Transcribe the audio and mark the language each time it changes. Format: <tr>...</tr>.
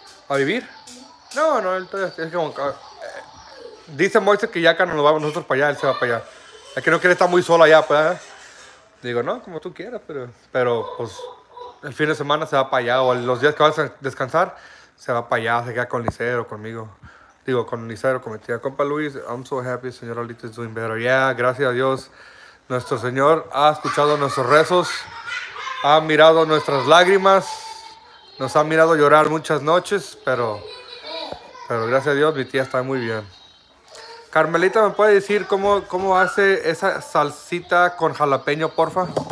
<es>¿A vivir? No, él todavía es como... dice Moise que ya acá no nos vamos nosotros para allá, él se va para allá. Es que no quiere estar muy solo allá, pues, ¿eh? Digo, no, como tú quieras, pero pues el fin de semana se va para allá, o los días que vas a descansar, se va para allá, se queda con Licero, conmigo. Digo, con Licero, con mi tía.</es> <en>Compa Luis, I'm so happy, señor Alito is doing better.</en> <es>Yeah, gracias a Dios, nuestro Señor ha escuchado nuestros rezos, ha mirado nuestras lágrimas, nos ha mirado llorar muchas noches, pero gracias a Dios, mi tía está muy bien. Carmelita, ¿me puede decir cómo hace esa salsita con jalapeño, porfa?</es>